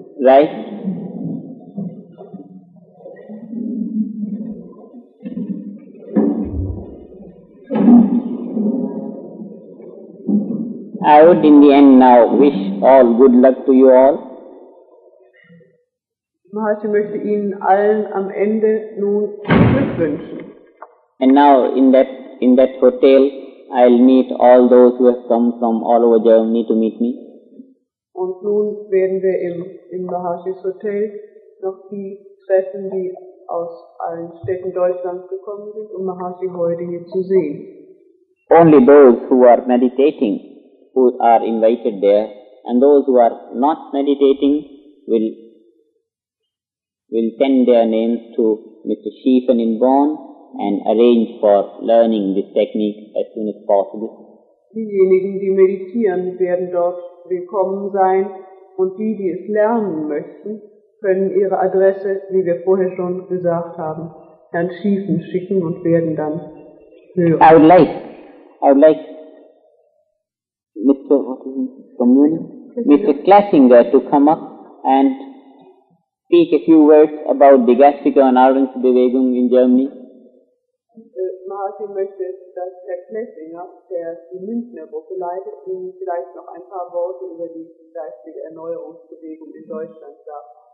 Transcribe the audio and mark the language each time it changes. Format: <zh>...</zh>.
<en>Right. I would in the end now wish all good luck to you all.</en> <de>Maharshi möchte Ihnen allen am Ende nun Glück wünschen.</de> <en>And now in that hotel I'll meet all those who have come from all over Germany to meet me.</en> <de>Und nun werden wir im Maharshi's Hotel noch die treffen, die aus allen Städten Deutschlands gekommen sind, um Maharshi heute hier zu sehen.</de> <en>Only those who are meditating who are invited there, and those who are not meditating will send their names to Mr. Schieffen in Bonn and arrange for learning this technique as soon as possible.</en> <de>Diejenigen, die meditieren, werden dort willkommen sein, und die, die es lernen möchten, können ihre Adresse, wie wir vorher schon gesagt haben, Herrn Schieffen schicken und werden dann hören.</de> <en>I would like Mr. Klassinger to come up and speak a few words about the Gastrika and Ahrens Bewegung in Germany.</en> <de>Maharshi möchte, dass Herr Klassinger, der die Münchner Gruppe leitet, Ihnen vielleicht noch ein paar Worte über die Gastrika Erneuerungsbewegung in Deutschland sagt.</de>